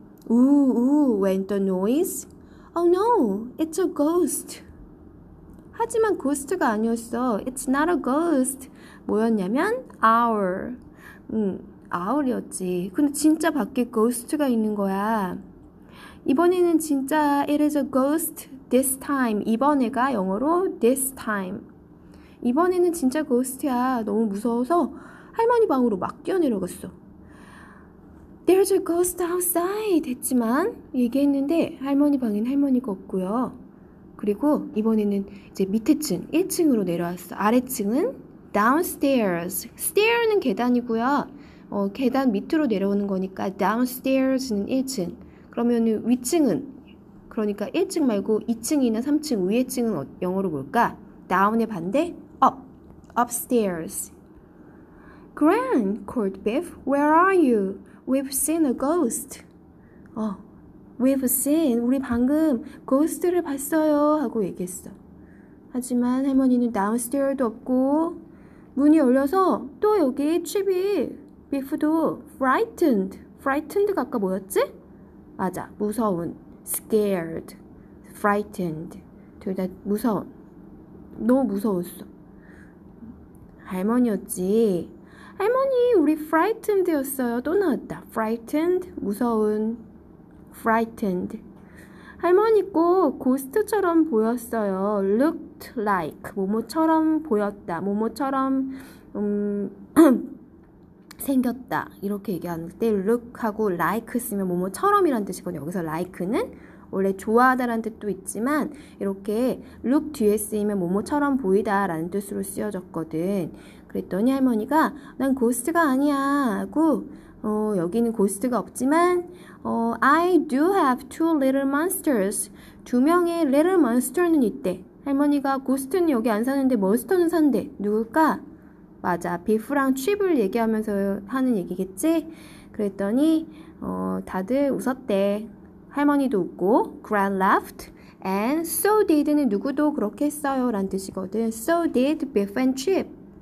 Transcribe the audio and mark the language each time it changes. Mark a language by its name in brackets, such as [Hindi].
[English] Ooh, went the noise. Oh no, it's a ghost. [Korean] 하지만 ghost가 아니었어. [English] It's not a ghost. [Korean] 뭐였냐면 [English] owl. owl이었지. [Korean] 근데 진짜 밖에 ghost가 있는 거야. 이번에는 진짜 [English] it is a ghost this time. [Korean] 이번에가 영어로 this time. 이번에는 진짜 ghost야. 너무 무서워서 할머니 방으로 막 뛰어내려갔어. [English] There's a ghost outside! [Korean] 했지만, 얘기했는데, 할머니 방엔 할머니가 없고요. 그리고, 이번에는 이제 밑에 층, 1층으로 내려왔어. 아래층은 downstairs. stair는 계단이고요. 계단 밑으로 내려오는 거니까 downstairs는 1층. 그러면 위층은, 그러니까 1층 말고 2층이나 3층, 위에 층은 영어로 뭘까? down의 반대? upstairs. [English] Gran, called Biff, where are you? We've seen a ghost. We've seen. [Korean] 우리 방금 ghost를 봤어요. 하고 얘기했어. 하지만 할머니는 downstairs도 없고, 문이 열려서 또 여기 칩이, Biff도 frightened. Frightened가 아까 뭐였지? 맞아. 무서운. Scared. Frightened. 둘다 무서운. 너무 무서웠어. 할머니였지. 할머니, 우리 frightened였어요. 또 나왔다. frightened, 무서운, frightened. 할머니 꼭 ghost처럼 보였어요. looked like, 뭐뭐처럼 보였다. 뭐뭐처럼, 생겼다 이렇게 얘기하는 때 look하고 like 쓰면 뭐뭐처럼이란 뜻이거든요. 여기서 like는 원래 좋아하다라는 뜻도 있지만 이렇게 look 뒤에 쓰이면 뭐뭐처럼 보이다라는 뜻으로 쓰여졌거든. 그랬더니 할머니가 난 고스트가 아니야 하고 여기는 고스트가 없지만 [English] I do have two little monsters. [Korean] 두 명의 little monster는 있대. 할머니가 고스트는 여기 안 사는데 몬스터는 산대. 누굴까? 맞아, 비프랑 칩을 얘기하면서 하는 얘기겠지? 그랬더니 다들 웃었대. 할머니도 웃고, [English] Gran laughed, and so did는 [Korean] 누구도 그렇게 했어요 라는 뜻이거든. [English] So did Biff and Chip.